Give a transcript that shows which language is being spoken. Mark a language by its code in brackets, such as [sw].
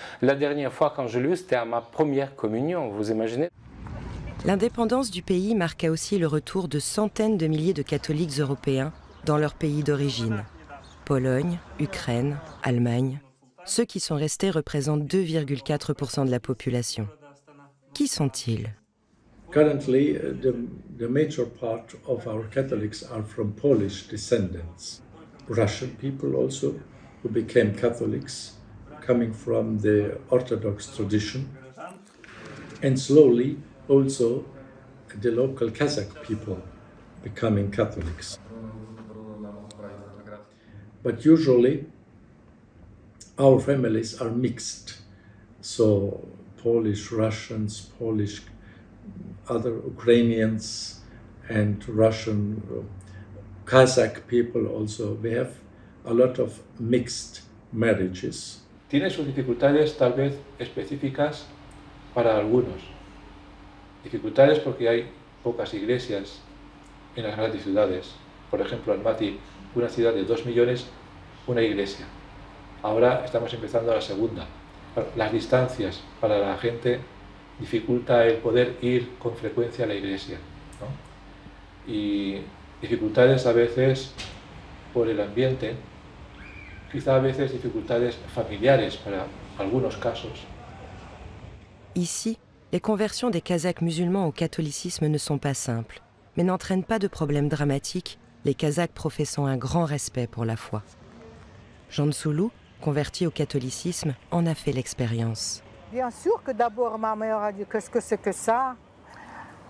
[fr] La dernière fois quand je l'ai eu, c'était à ma première communion, vous imaginez ? L'indépendance du pays marqua aussi le retour de centaines de milliers de catholiques européens dans leur pays d'origine. Pologne, Ukraine, Allemagne. Ceux qui sont restés représentent 2,4% de la population. Qui sont-ils ? [en] Currently, the major part of our Catholics are from Polish descendants. Russian people also, who became Catholics, coming from the Orthodox tradition. And slowly, also, the local Kazakh people becoming Catholics. But usually, our families are mixed. So, Polish, Russians, Polish, other Ukrainians and Russian Kazakh people also. We have a lot of mixed marriages. [es] Tiene sus dificultades tal vez específicas para algunos. Dificultades porque hay pocas iglesias en las grandes ciudades. Por ejemplo, Almaty, una ciudad de 2 millones, una iglesia. Ahora estamos empezando la segunda. Las distancias para la gente dificulta el poder ir con frecuencia a la iglesia, ¿no? Y dificultades a veces por el ambiente, quizá a veces dificultades familiares para algunos casos. [fr] Ici, les conversions des Kazakhs musulmans au catholicisme ne sont pas simples, mais n'entraînent pas de problèmes dramatiques, les Kazakhs professant un grand respect pour la foi. Jean Tsoulou, converti au catholicisme, en a fait l'expérience. Bien sûr que d'abord ma mère a dit « qu'est-ce que c'est que ça ?»